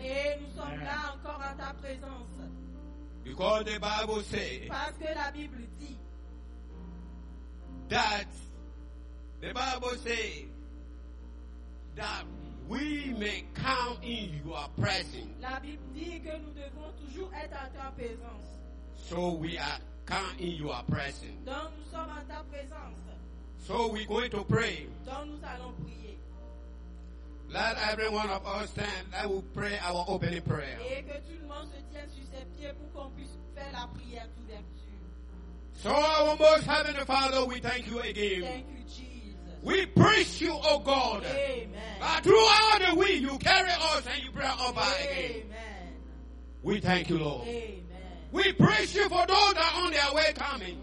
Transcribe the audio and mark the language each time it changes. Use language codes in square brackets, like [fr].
[fr] Et nous sommes là encore à ta présence. [en] Because the Bible says, [fr] parce que la Bible dit, [en] that the Bible says that we may come in your presence. [fr] La Bible dit que nous devons toujours être à ta présence. [en] So we are come in your presence. [fr] Donc nous sommes en ta présence. [en] So we're going to pray. [fr] Donc nous allons prier. [en] Let every one of us stand. Let us pray our opening prayer. [fr] Et que tout le monde se tienne sur ses pieds pour qu'on puisse faire la prière d'ouverture. [en] So our most heavenly Father, we thank you again. Thank you, Jesus. We praise you, O God. Amen. That throughout the week you carry us and you bring us back again. Amen. We thank you, Lord. Amen. We praise you for those that are on their way coming.